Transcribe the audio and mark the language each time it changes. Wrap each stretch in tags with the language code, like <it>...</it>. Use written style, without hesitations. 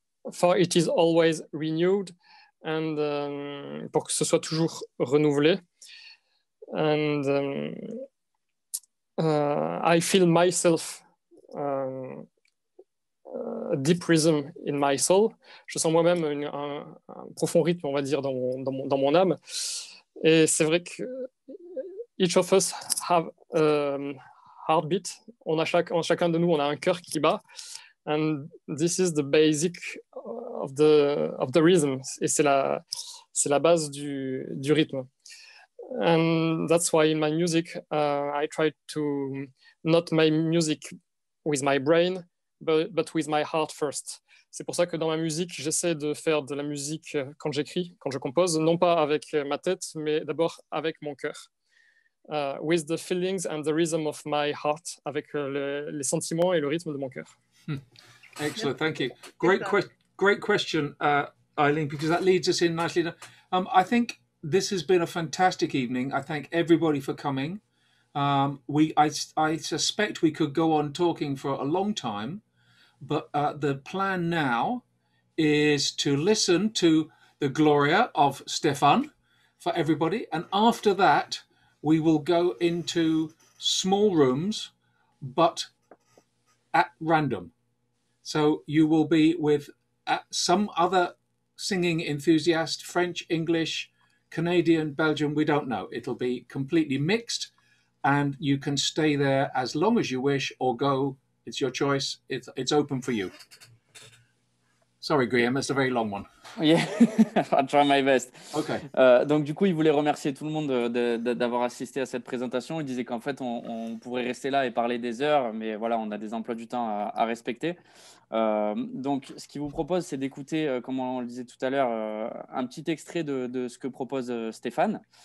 <en>For it is always renewed, and</en> <fr>pour que ce soit toujours renouvelé.</fr> <en>And I feel myself a deep rhythm in my soul.</en> <fr>Je sens moi-même un profond rythme, on va dire, dans mon âme. Et c'est vrai que</fr> <en>each of us have a heartbeat.</en> <fr>Chacun de nous, on a un cœur qui bat.</fr> <en>And this is the basic of the rhythm.</en> <fr>Et c'est la base du rythme.</fr> <en>And that's why in my music, I try to not my music with my brain, but with my heart first.</en> <fr>C'est pour ça que dans ma musique, j'essaie de faire de la musique quand j'écris, quand je compose, non pas avec ma tête, mais d'abord avec mon cœur.</fr> <en>With the feelings and the rhythm of my heart,</en> <fr>avec les sentiments et le rythme de mon cœur.</fr> <en>Excellent, thank you. Great question, Eileen, because that leads us in nicely. I think this has been a fantastic evening. I thank everybody for coming. I suspect we could go on talking for a long time, but the plan now is to listen to the Gloria of Stéphane for everybody, and after that we will go into small rooms, but at random. So you will be with some other singing enthusiast, French, English, Canadian, Belgium, we don't know. It'll be completely mixed, and you can stay there as long as you wish or go. It's your choice. It's open for you. Sorry, Graham, it's a very long one. Yeah, I'll try my best. Okay.</en> <fr>Donc, du coup, il voulait remercier tout le monde d'avoir assisté à cette présentation. Il disait qu'en fait, on pourrait rester là et parler des heures, mais voilà, on a des emplois du temps à respecter. Donc, ce qu'il vous propose, c'est d'écouter, comme on le disait tout à l'heure, un petit extrait de ce que propose Stéphane.</fr>